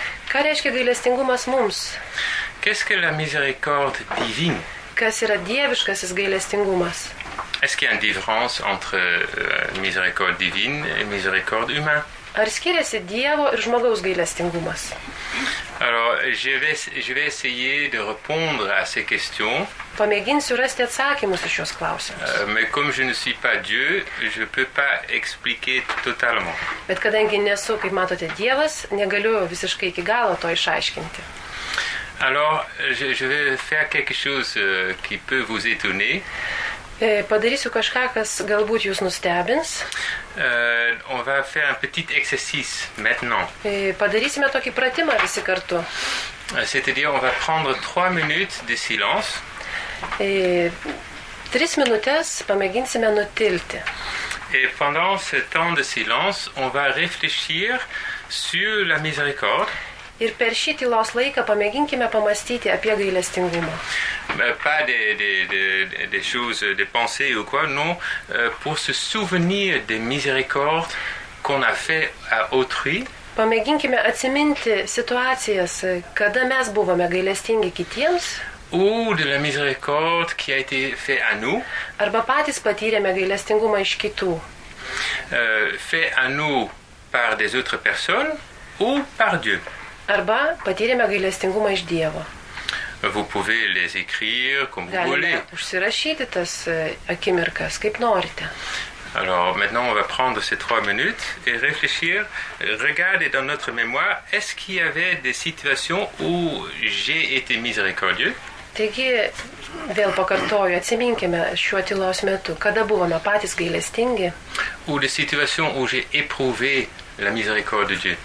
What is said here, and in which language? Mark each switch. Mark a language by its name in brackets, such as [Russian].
[Lithuanian] Ką reiškia gailestingumas mums? [French] Qu'est-ce que la miséricorde divine? [Lithuanian] Kas yra dieviškasis gailestingumas? [French] Est-ce qu'il y a une différence entre miséricorde divine et miséricorde humaine? [Lithuanian] Ar skiriasi Dievo ir žmogaus gailestingumas? [French] Alors, je vais essayer de répondre à ces questions. [Lithuanian] Pamėginsiu rasti atsakymus į šios klausimus. [French] Mais comme je ne suis pas Dieu, je peux pas expliquer totalement. [Lithuanian] Bet kadangi nesu, kaip matote, Dievas, negaliu visiškai iki galo to išaiškinti. [French] Alors, je vais faire quelque chose qui peut vous étonner. [Lithuanian] Padarysiu kažką, kas galbūt jūs nustebins. [French] On va faire un petit exercice maintenant. [Lithuanian] Padarysime tokį pratimą visi kartu. [French] C'est-à-dire, on va prendre 3 minutes de silence. [Lithuanian] 3 minutes, pamėginsime nutilti. [French] Et pendant ce temps de silence, on va réfléchir sur la miséricorde. [Lithuanian] Ir per šį tylos laiką pamėginkime pamastyti apie gailestingumą. [French] Pas de choses de pensée ou quoi, non, pour se souvenir des miséricordes qu'on a fait à autrui. [Lithuanian] Pamėginkime atsiminti situacijas, kada mes buvome gailestingi kitiems. [French] Ou de la miséricorde qui a été fait à nous. [Lithuanian] Arba patys patyrėme gailestingumą iš kitų. [French] Fait à nous par des autres personnes ou par Dieu. [Lithuanian] Arba patyrėme gailestingumą iš Dievo. [French] Vous pouvez les écrire comme vous voulez. [Lithuanian] Užsirašyti tas akimirkas, kaip norite. [French] Alors, maintenant, on va prendre ces trois minutes et réfléchir. Regardez dans notre mémoire, est-ce qu'il y avait des situations où j'ai été miséricordieux? [Lithuanian] Taigi, vėl pakartoju, atsiminkime šiuo tylos metu, kada buvome patys gailestingi. [French] Ou des situations où j'ai éprouvé la miséricorde de Dieu.